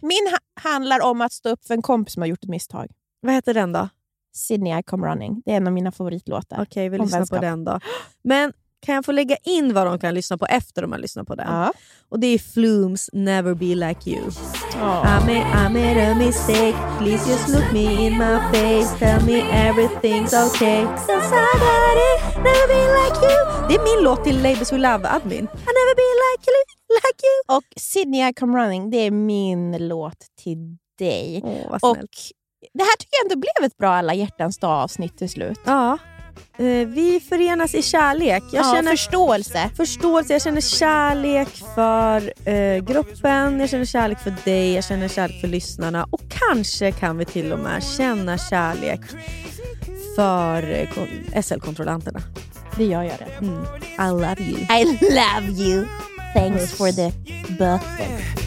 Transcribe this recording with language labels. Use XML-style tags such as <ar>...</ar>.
<sv>Min handlar om att stå upp för en kompis som har gjort ett misstag. Vad heter den då? Sydney, I Come Running. Det är en av mina favoritlåtar. Okej, vi lyssnar på den då. Men kan jag få lägga in vad de kan lyssna på efter de har lyssnat på den? Ja. Och det är Flume's Never Be Like You. Oh.</sv> <en>I made a mistake. Please just look me in my face. Tell me everything's okay. Since I got it, never be like you.</en> <sv>Det är min låt till Labels We Love admin.</sv> <en>I never be like you.</en> <sv>Och Sydney, I Come Running. Det är min låt till dig. Och det här tycker jag ändå blev ett bra Alla hjärtans dag avsnitt till slut. Ja. Vi förenas i kärlek. Jag känner förståelse. Förståelse. Jag känner kärlek för gruppen. Jag känner kärlek för dig. Jag känner kärlek för lyssnarna. Och kanske kan vi till och med känna kärlek för SL-kontrollanterna. Det gör jag redan.</sv> <en>Mm. I love you. I love you. Thanks for the birthday.</en>